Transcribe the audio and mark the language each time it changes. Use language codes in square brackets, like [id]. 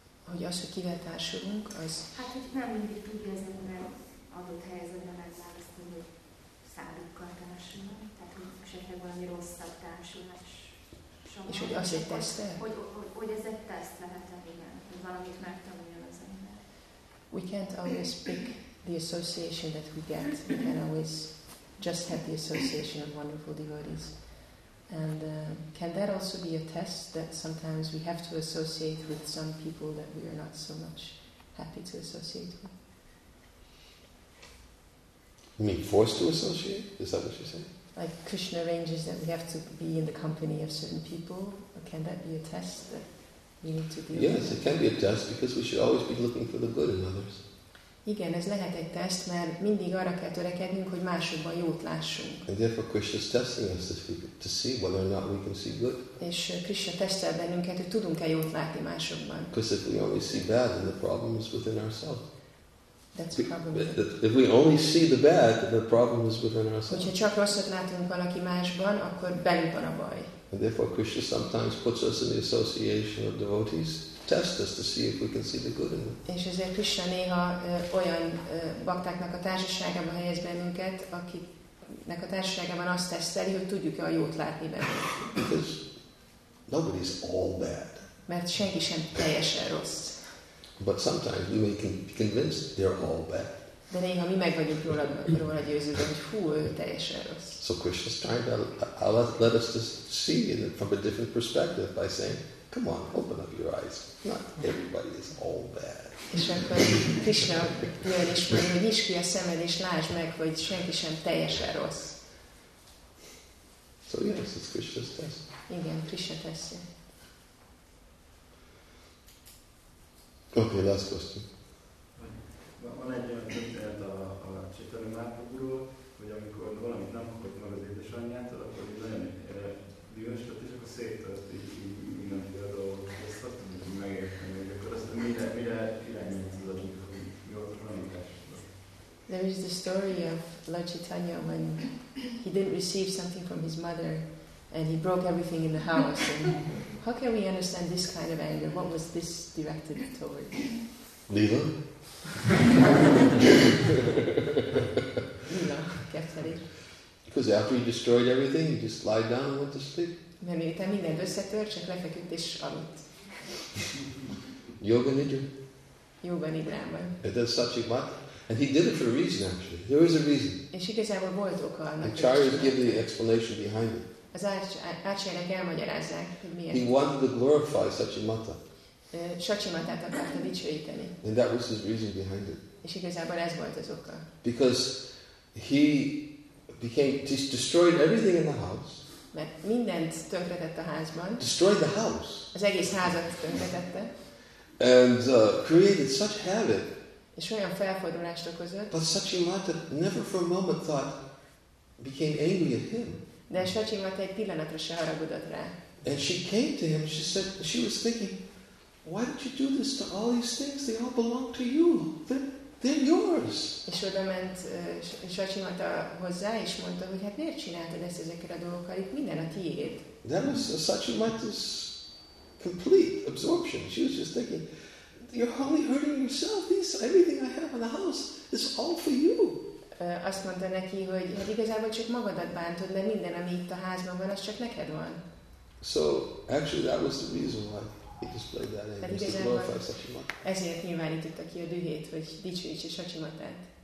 [hu] Hogy az, hogy kivel társulunk, az... Hát, hogy nem mindig tudja az ember adott helyzetben megválasztani, hogy szárukkal társulunk, tehát hogy esetleg valami rosszabb társulás. És hogy az egy teszt? Hogy ez egy teszt lehet, igen. Valamit megtanuljon az ember. [en] We can't always pick the association that we get. We can always just have the association of wonderful devotees. And can that also be a test that sometimes we have to associate with some people that we are not so much happy to associate with? You mean forced to associate? Is that what you're saying? Like Krishna arranges that we have to be in the company of certain people, or can that be a test that we need to be? Yes, it can be a test because we should always be looking for the good in others. [hu] Igen, ez lehet egy teszt, mert mindig arra kell törekednünk, hogy másokban jót lássunk. [en] And therefore Krishna is testing us to see whether or not we can see good. [hu] És Krishna tesztel bennünket, hogy tudunk-e jót látni másokban. [en] Because if we only see bad, then the problem is within ourselves. That's probably. If we only see the bad, the problem is within ourselves. [hu] Hogyha csak rosszat látunk valaki másban, akkor belül van a baj. [en] And therefore Krishna sometimes puts us in the association of devotees to test us to see if we can see the good in them. [hu] És ezért Krishna néha olyan baktáknak a társaságába helyez bennünket, akiknek a társaságában azt teszteli, hogy tudjuk-e a jót látni benne. [en] Because nobody is all bad. [hu] Mert senki sem teljesen rossz. [en] But sometimes we may be convinced they're all bad. [hu] De néha mi meg vagyunk róla győződve, hogy hú, ő teljesen rossz. [en] So Krishna's trying to let us to see it from a different perspective by saying, come on, open up your eyes. Not everybody is all bad. [hu] És akkor Krishna jön és mondja, hogy nyisd ki a szemed és lásd meg, hogy senki sem teljesen rossz. [en] So yes, it's Krishna's test. [hu] Igen, Krishna teszi. [en] Okay, last question. [hu] Van egy olyan történet a Csitari Márpokról, hogy amikor valamit nem kapott meg az édesanyjától, akkor így nagyon dühös lett, és akkor széttört így mindenki a dolgot, hogy ezt hattam, hogy megértem, hogy akkor azt mire irányítsz az adjuk, hogy mi volt a tanításra. [en] There is the story of Lord Chaitanya when he didn't receive something from his mother, and he broke everything in the house. And how can we understand this kind of anger? What was this directed toward? Lila? Lila, kefteli. Because after he destroyed everything, he just lied down and went to sleep. [hu] Mert miután mindent összetört, csak lefeküdt és aludt. [en] Yoga nidra? [hu] Yoga nidrában. [en] It does such a much. And he did it for a reason, actually. There is a reason. [hu] És igazából volt oka. [en] And Acharyas give the explanation behind it. [hu] Az Acharyának elmagyarázzák, hogy miért. [en] He wanted to glorify Satchimata. [hu] Satchimatát akarta dicsőíteni. [en] And that was his reason behind it. [hu] És igazából ez volt az oka. [en] Because he became, just destroyed everything in the house. [hu] Mert mindent tönkretett a házban. [en] Destroyed the house. [hu] Az egész házat tönkretette. [en] And created such havoc. [hu] És olyan felfordulást okozott. [en] But Satchimata never for a moment thought, became angry at him. [hu] De Satchimata egy pillanatra se haragudott rá. [en] And she came to him, she said, she was thinking, why did you do this to all these things? They all belong to you. They're yours. [hu] És oda ment Satchimata hozzá, és mondta, hogy hát miért csináltad ezt ezekkel a dolgokkal? Itt minden a tiéd. [en] That was Satchimata's complete absorption. She was just thinking, you're only hurting yourself. This, everything I have in the house is all for you. [hu] Azt mondta neki, hogy hát igazából csak magadat bántod, mert minden, ami itt a házban van, az csak neked van. [en] So, actually that was the reason why. He displayed that in to glorify Sachimata. [hu] Ezért nyilvánította ki a dühét, hogy dicsőítse Sachimatát.